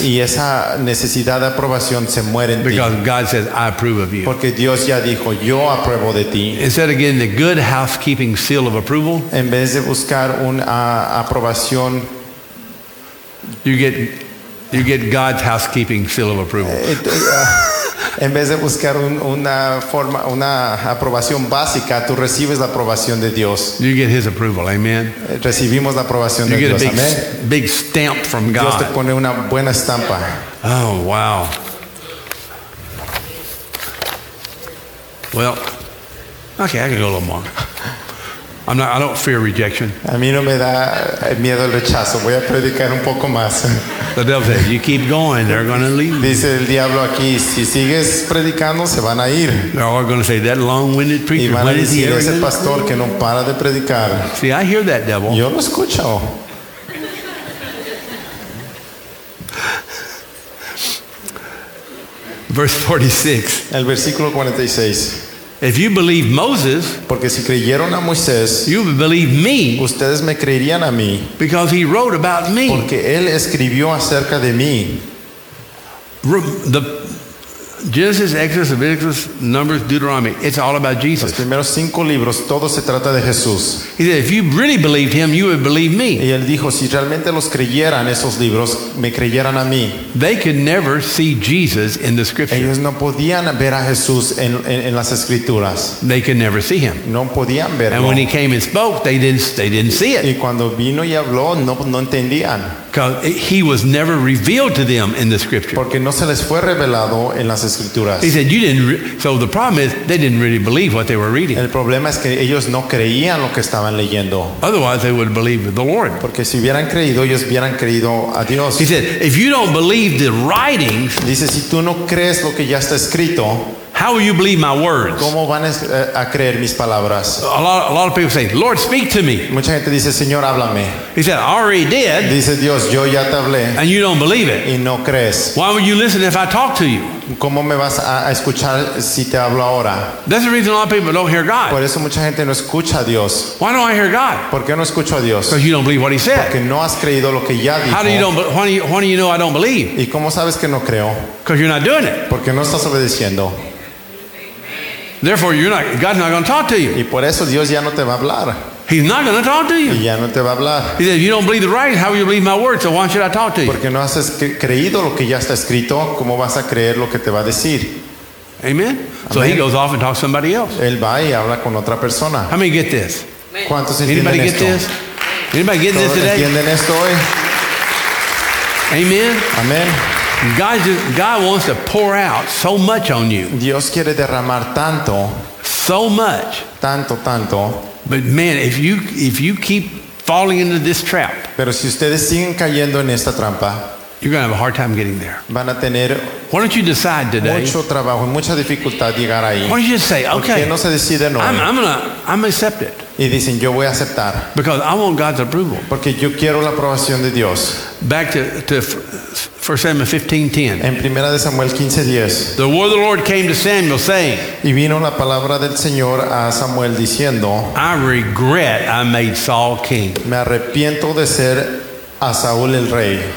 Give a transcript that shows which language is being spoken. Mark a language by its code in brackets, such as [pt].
[es] Y esa necesidad de aprobación se muere en [en] because [es] ti. [en] God says, I approve of you. [es] Porque Dios ya dijo, yo apruebo de ti. [en] Instead of getting the good housekeeping seal of approval, [es] en vez de buscar una aprobación, [en] you get God's housekeeping seal of approval. [es] En vez de buscar una forma, una aprobación básica, tú recibes la aprobación de Dios. [en] You get His approval, amen. [es] Recibimos la aprobación [en] you [es] de [en] get [es] Dios, [en] a big, [es] amen. [en] Big stamp from [es] Dios [en] God. [es] Dios te pone una buena estampa. [en] Oh, wow. Well, okay, I can go a little more. I don't fear rejection. [es] A mí no me da miedo el rechazo. Voy a predicar un poco más. [en] The devil says, "You keep going, they're going to leave." [es] Dice el diablo aquí, si sigues predicando, se van a ir. [en] They're all going to say that long-winded preacher. [es] Y van a decir ese pastor que no para de predicar. [en] See, I hear that devil. [es] Yo lo escucho. [en] Verse 46. If you believe Moses, [es] porque si creyeron a Moisés, [en] you would believe me, [es] ustedes me creerían a mí, [en] because he wrote about me, [es] porque él escribió acerca de mí. [en] The Genesis, Exodus, Leviticus, Numbers, Deuteronomy, it's all about Jesus. [es] Los primeros cinco libros, todo se trata de Jesús. [en] He said, if you really believed him, you would believe me. [es] Y él dijo, si realmente los creyeran esos libros, me creyeran a mí. [en] They could never see Jesus in the scripture. [es] Ellos no podían ver a Jesús en las escrituras. [en] They could never see him. [es] No podían verlo. [en] And when he came and spoke, they didn't see it. [es] Y cuando vino y habló, no entendían. [en] Because he was never revealed to them in the scripture. [es] Porque no se les fue revelado en las escrituras. [en] He said, "You didn't." So the problem is they didn't really believe what they were reading. [es] El problema es que ellos no creían lo que estaban leyendo. [en] Otherwise, they would believe the Lord. [es] Porque si hubieran creído, ellos hubieran creído a Dios. [en] He said, "If you don't believe the writings," [es] dice, si tú no crees lo que ya está escrito, [en] "how will you believe my words?" [es] ¿Cómo van a creer mis palabras? [en] A lot of people say, "Lord, speak to me." [es] Mucha gente dice, "Señor, háblame." [en] He said, "I already did." [es] Dice Dios, "Yo ya te hablé." [en] And you don't believe it. [es] Y no crees. [en] Why would you listen if I talk to you? [es] ¿Cómo me vas a escuchar si te hablo ahora? [en] That's the reason a lot of people don't hear God. [es] Por eso mucha gente no escucha a Dios. [en] Why don't I hear God? [es] ¿Por qué no escucho a Dios? [en] Because you don't believe what He said. [es] Porque no has creído lo que ya dijo. [en] How do you know I don't believe? [es] ¿Y cómo sabes que no creo? [en] Because you're not doing it. [es] Porque no estás obedeciendo. [en] Therefore, God's not going to talk to you. [es] Y por eso Dios ya no te va a hablar. [en] He's not going to talk to you. [es] Y ya no te va a hablar. [en] He said, if you don't believe the writing, how will you believe my word? So why should I talk to you? [es] Porque no has creído lo que ya está escrito, ¿cómo vas a creer lo que te va a decir? Amen. Amen. [en] So he goes off and talks to somebody else. [es] Él va y habla con otra persona. [en] How many get this? [es] ¿Cuántos entienden [en] esto? Anybody get this today? [es] ¿Entienden esto hoy? Amen. Amen. [en] God wants to pour out so much on you. [es] Dios quiere derramar tanto. [en] So much. [es] Tanto. [en] But man, if you keep falling into this trap, [es] pero si ustedes siguen cayendo en esta trampa, [en] you're going to have a hard time getting there. [es] Van a tener, [en] why don't you decide today? [es] Mucho trabajo, mucha dificultad llegar ahí. [en] Why don't you say, okay, [es] no se deciden hoy? [en] I'm going to accept it. [es] Y dicen, yo voy a aceptar. [en] Because I want God's approval. [es] Porque yo quiero la aprobación de Dios. [en] Back to 1 Samuel 15:10. [es] En Primera de Samuel 15:10. [en] The word of the Lord came to Samuel saying, [es] y vino la palabra del Señor a Samuel diciendo, [en] I regret I made Saul king. [es] Me arrepiento de ser a Saúl el rey.